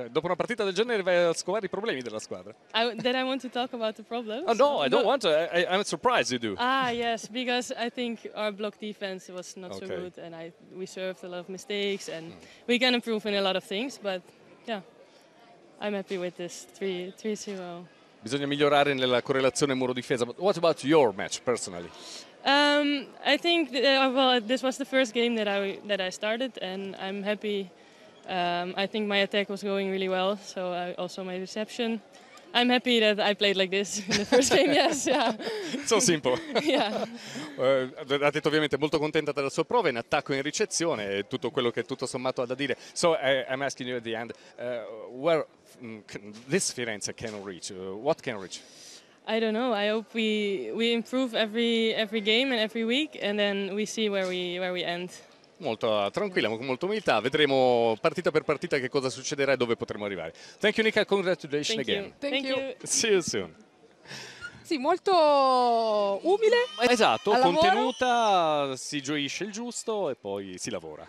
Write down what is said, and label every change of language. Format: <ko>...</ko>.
<it>Dopo una partita del genere vai a scovare i problemi della squadra.</it> <en>Then I want to talk about the problems. Oh, no, I don't want to. I'm surprised you do. Ah, yes, because I think our block defense was not so good and we served a lot of mistakes and we can improve in a lot of things, but yeah, I'm happy with this 3-0.</en> <it>Bisogna migliorare nella correlazione muro-difesa,</it> <en>but what about your match personally? I think this was the first game that I started and I'm happy. I think my attack was going really well, so I also my reception. I'm happy that I played like this in the first game, yes. Yeah. So simple. Yeah.</en> <it>Ha detto ovviamente molto contenta della sua prova in attacco e in ricezione, e tutto quello che tutto sommato ha da dire.</it> <en>So I'm asking you at the end, where this Firenze can reach? What can reach? I don't know. I hope we improve every game and every week, and then we see where we end.</en> <it>Molto tranquilla, con molta umiltà, vedremo partita per partita che cosa succederà e dove potremo arrivare.</it> <en>Thank you Nika, congratulations. Thank again you. Thank you. See you soon.</en> <it>Sì, molto umile. Esatto, contenuta, si gioisce il giusto e poi si lavora.</it>